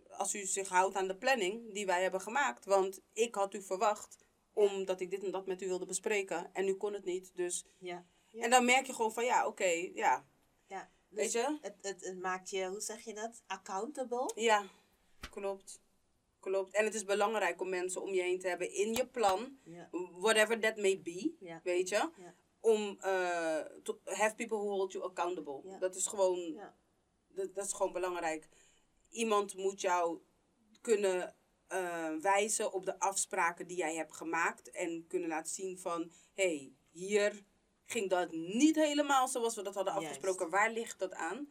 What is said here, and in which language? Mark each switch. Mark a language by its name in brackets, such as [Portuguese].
[Dutch] Als u zich houdt aan de planning die wij hebben gemaakt. Want ik had u verwacht omdat ik dit en dat met u wilde bespreken. En u kon het niet, dus... Ja. En dan merk je gewoon van ja, oké, ja. Ja. Dus weet je? Het maakt je, hoe zeg je dat, accountable? Ja, klopt. Klopt. En het is belangrijk om mensen om je heen te hebben in je plan. Ja. [English] Whatever that may be, [Dutch] ja. Weet je. Ja. [English] Om to have people who hold you accountable. [Dutch] Ja. Dat is gewoon dat is gewoon belangrijk. Iemand moet jou kunnen wijzen op de afspraken die jij hebt gemaakt. En kunnen laten zien van, hey, hier ging dat niet helemaal zoals we dat hadden afgesproken. Juist. Waar ligt dat aan?